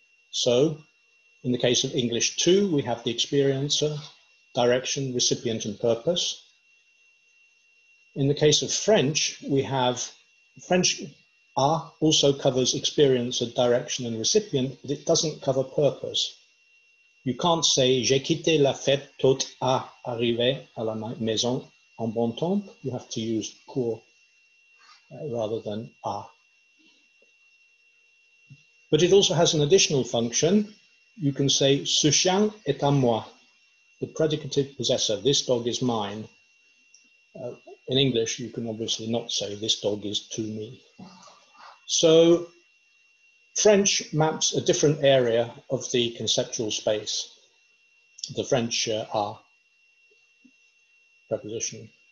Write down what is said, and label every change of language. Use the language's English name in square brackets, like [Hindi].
[English] So in the case of English 2, we have the experiencer, direction, recipient, and purpose. In the case of French, we have French A also covers experiencer, direction, and recipient, but it doesn't cover purpose. You can't say, [French] j'ai quitté la fête tout à arriver à la maison en bon temps. [English] You have to use pour rather than A. But it also has an additional function. You can say, [French] ce chien est à moi, [English] the predicative possessor, this dog is mine. In English, you can obviously not say, this dog is to me. So French maps a different area of the conceptual space, the French are preposition.